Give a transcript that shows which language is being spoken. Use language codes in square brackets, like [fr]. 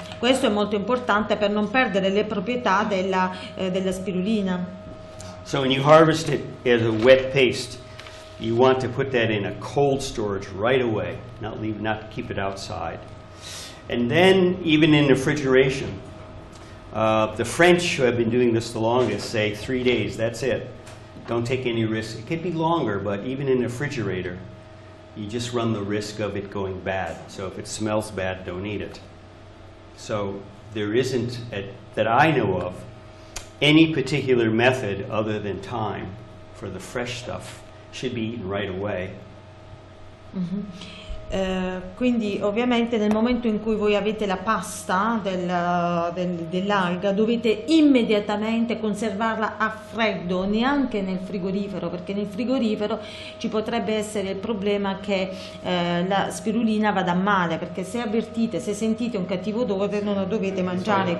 [it] Questo è molto importante per non perdere le proprietà della, della spirulina. [en] So when you harvest it as a wet paste, you want to put that in a cold storage right away, not keep it outside. And then even in refrigeration, the French, who have been doing this the longest, say 3 days, that's it. Don't take any risk. It could be longer, but even in a refrigerator, you just run the risk of it going bad. So if it smells bad, don't eat it. So there isn't, that I know of, any particular method other than time for the fresh stuff should be eaten right away. Mm-hmm. [it] Quindi ovviamente nel momento in cui voi avete la pasta dell'alga dovete immediatamente conservarla a freddo, neanche nel frigorifero, perché nel frigorifero ci potrebbe essere il problema che la spirulina vada male, perché se avvertite, se sentite un cattivo odore non lo dovete mangiare.